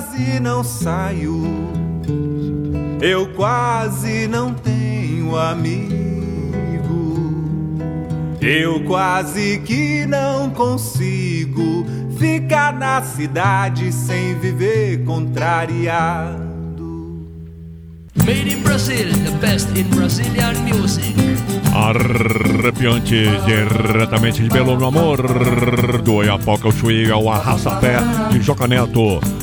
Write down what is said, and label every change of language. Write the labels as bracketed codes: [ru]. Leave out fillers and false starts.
[pt] quase não saio, eu quase não tenho amigo, eu quase que não consigo ficar na cidade sem viver contrariado. [en] Made in Brazil, the best in Brazilian music. [pt] Arrepiante, diretamente de Belo no Amor, do Oiapoca ao Chuí, ao Arrasapé de Joca Neto.